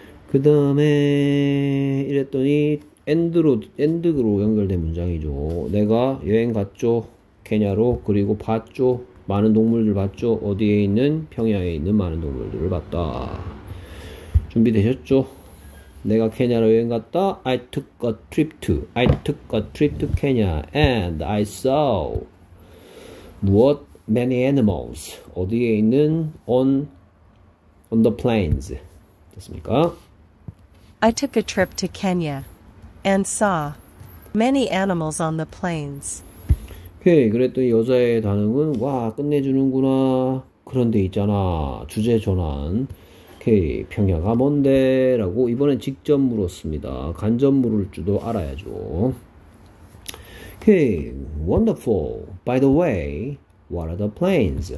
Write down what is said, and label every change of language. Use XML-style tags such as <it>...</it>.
<ko>그 다음에 이랬더니 엔드로 연결된 문장이죠. 내가 여행 갔죠. 케냐로. 그리고 봤죠. 많은 동물들 봤죠? 어디에 있는? 평야에 있는 많은 동물들을 봤다. 준비되셨죠? 내가 케냐로 여행 갔다.</ko> <en>I took a trip to Kenya and I saw what many animals</en> <ko>어디에 있는?</ko> <en>On the plains.</en> <ko>됐습니까?</ko> <en>I took a trip to Kenya and saw many animals on the plains.</en> <ko>오케이. 그랬더니 여자의 반응은 와, 끝내주는구나. 그런데 있잖아, 주제 전환. 오케이. 평야가 뭔데? 라고 이번엔 직접 물었습니다. 간접 물을 줄도 알아야죠.</ko> <en>오케이. Wonderful. By the way, what are the plains?</en>